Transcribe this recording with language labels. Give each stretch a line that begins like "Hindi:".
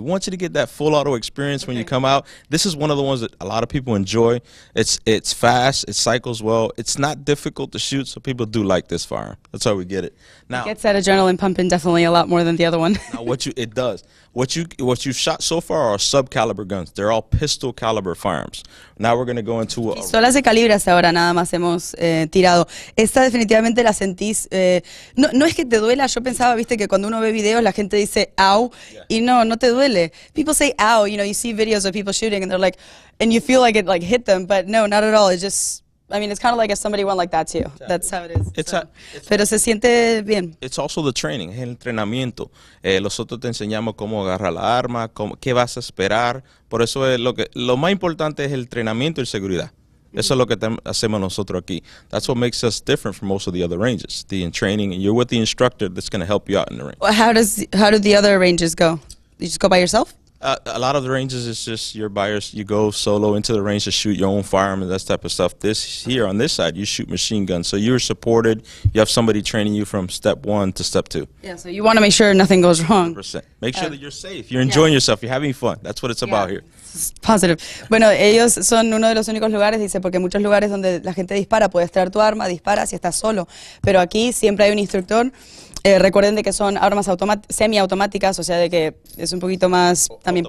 English: We want you to get that full auto experience when you come out. This is one of the ones that a lot of people enjoy. It's fast. It cycles well. It's not difficult to shoot, so people do like this firearm. That's how we get it. Now, it gets that adrenaline pumping definitely a lot more than the other one. What you've shot so far are sub caliber guns. They're all pistol caliber firearms. Now we're going to go into a
Spanish: solo de calibre hasta ahora nada más hemos tirado. Esta definitivamente la sentís no es que te duela, yo pensaba, viste que cuando uno ve videos la gente dice ow y no te duele.
English: People say ow, you know, you see videos of people shooting and they're like and you feel like it like hit them, but no, not at all. It's just I mean, it's kind of like if somebody went like that too. Exactly. That's how it is.
Spanish: Pero se siente bien.
English: It's also the training,
Spanish: el entrenamiento. Nosotros te enseñamos cómo agarrar la arma, qué vas a esperar. Por eso es lo más importante es el entrenamiento y seguridad. Eso es lo que hacemos nosotros aquí.
English: That's what makes us different from most of the other ranges. The training, and you're with the instructor that's going to help you out in the range. Well, how do the other ranges go? You just go by yourself? A lot of the ranges, it's just your buyers. You go solo into the range to shoot your own firearm and that type of stuff. This here on this side, you shoot machine guns. So you're supported. You have somebody training you from step one to step two. Yeah, so you want to make sure nothing goes wrong. 100%. Make sure that you're safe. You're enjoying yourself. You're having fun. That's what it's about here. Positive.
Spanish: Bueno, ellos son uno de los únicos lugares, dice, porque muchos lugares donde la gente dispara, puedes traer tu arma, dispara si estás solo. Pero aquí siempre hay un instructor. Recuerden de que son armas semiautomáticas, o sea, de que es un poquito más también automática.